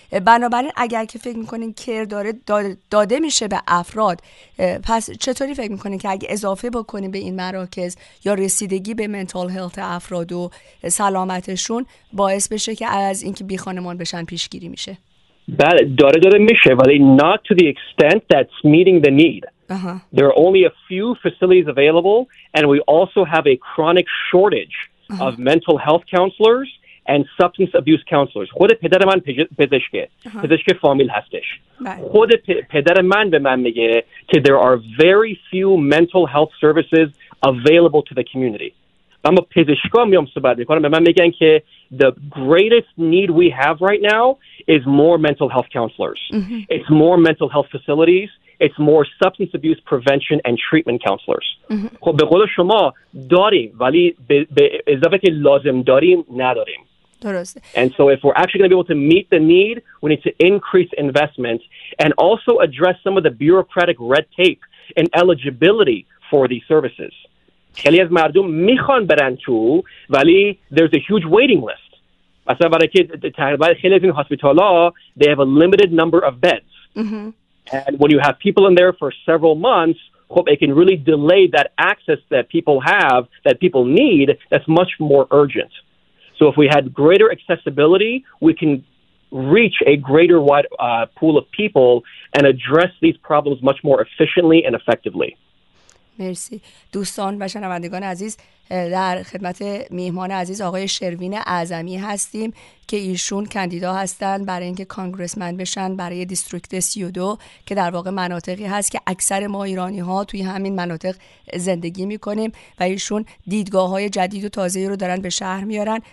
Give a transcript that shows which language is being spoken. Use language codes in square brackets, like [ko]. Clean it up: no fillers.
[fa] بنابراین اگر که فکر میکنین کر داره داده میشه به افراد، پس چطوری فکر میکنین که اگه اضافه بکنیم به این مراکز یا رسیدگی به منتال هلت افراد و سلامتشون باعث بشه که از اینکه بی خانمان بشن پیشگیری میشه؟ بله داره میشه، ولی [en] not to the extent that's meeting the need. There are only a few facilities available and we also have a chronic shortage of mental health counselors and substance abuse counselors. [fa] خود پدر من پزشک فامیل هستش. خود پدر من به من میگه که [en] there are very few mental health services available to the community. [fa] اما پزشکا میام صحبت میکنم به من میگن که [en] the greatest need we have right now is more mental health counselors. It's more mental health facilities. It's more substance abuse prevention and treatment counselors. [fa] خب به قول شما داریم، ولی به اضافه که لازم داریم نداریم. درسته. [en] And so if we're actually going to be able to meet the need, we need to increase investment and also address some of the bureaucratic red tape and eligibility for these services. [fa] خیلی از مردم میخوان برن تو، ولی [en] there's a huge waiting list. [fa] مثلا برای که تقریبا خیلی از این هسپیتال ها [en] they have a limited number of beds. And when you have people in there for several months, خب it can really delay that access that people have, that people need, that's much more urgent. So if we had greater accessibility, we can reach a greater wide pool of people and address these problems much more efficiently and effectively. [fa] مرسی. دوستان و شنوندگان عزیز، در خدمت میهمان عزیز آقای شروین اعظمی هستیم که ایشون کاندیدا هستن برای اینکه کانگرسمن بشن برای دیستریکت 32 که در واقع مناطقی هست که اکثر ما ایرانی ها توی همین مناطق زندگی میکنیم و ایشون دیدگاه های جدید و تازه رو دارن به شهر میارن.